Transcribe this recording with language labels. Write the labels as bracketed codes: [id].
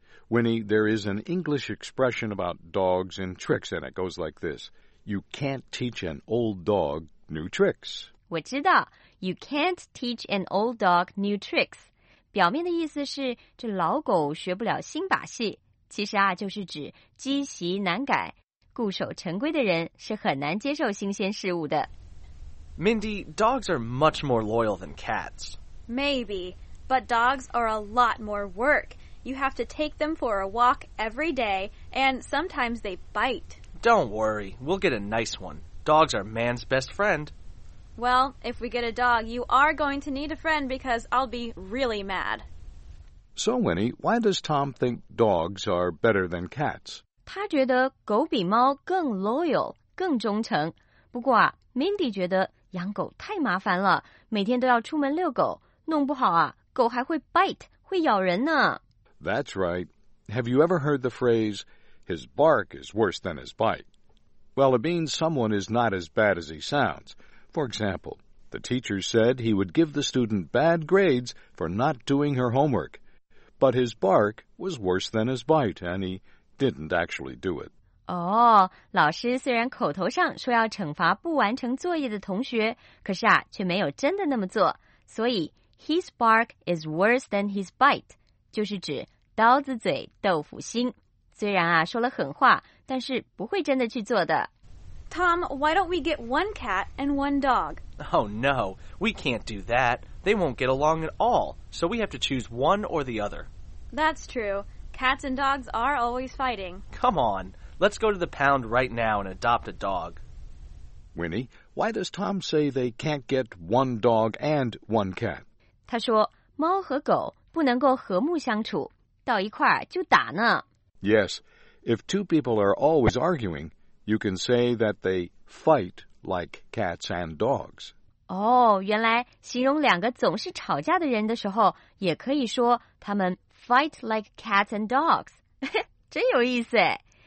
[en] Winnie, there is an English expression about dogs and tricks, and it goes like this. You can't teach an old dog new tricks. [zh] 我知道， [en] you can't teach an old dog new tricks. [zh] 表面的意思是这老狗学不了新把戏，其实啊就是指积习难改，固守成规的人是很难接受新鲜事物的。 [en] Mindy, dogs are much more loyal than cats. Maybe, but dogs are a lot more work. You have to take them for a walk every day, and sometimes they bite. Don't worry, we'll get a nice one. Dogs are man's best friend. Well, if we get a dog, you are going to need a friend because I'll be really mad. So, Winnie, why does Tom think dogs are better than cats? [zh] 他觉得狗比猫更 loyal, 更忠诚。不过啊 ,Mindy 觉得养狗太麻烦了，每天都要出门遛狗，弄不好啊，狗还会 bite, 会咬人呢。 [en] That's right. Have you ever heard the phrase, his bark is worse than his bite? Well, it means someone is not as bad as he sounds. For example, the teacher said he would give the student bad grades for not doing her homework. But his bark was worse than his bite, and he didn't actually do it. [zh] 哦，老师虽然口头上说要惩罚不完成作业的同学，可是啊，却没有真的那么做。所以 [en] his bark is worse than his bite, [zh] 就是指刀子嘴豆腐心。虽然啊，说了狠话，但是不会真的去做的。 [en] Tom, why don't we get one cat and one dog? Oh no, we can't do that. They won't get along at all, so we have to choose one or the other. That's true. Cats and dogs are always fighting. Come on, let's go to the pound right now and adopt a dog. Winnie, why does Tom say they can't get one dog and one cat? [zh] 他说猫和狗不能够和睦相处，到一块就打呢。 [en] Yes, if two people are always arguing, you can say that they fight like cats and dogs. [zh] 哦，原来形容两个总是吵架的人的时候，也可以说他们 [en] fight like cats and dogs. [zh] 真有意思哎。